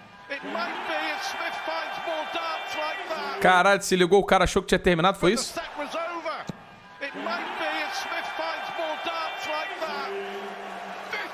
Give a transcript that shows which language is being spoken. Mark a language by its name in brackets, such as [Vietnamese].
[English] It might be if Smith finds more darts like that. [Portuguese] Caralho, se ligou, o cara achou que tinha terminado, foi isso? [English] It might be if Smith finds more darts like that.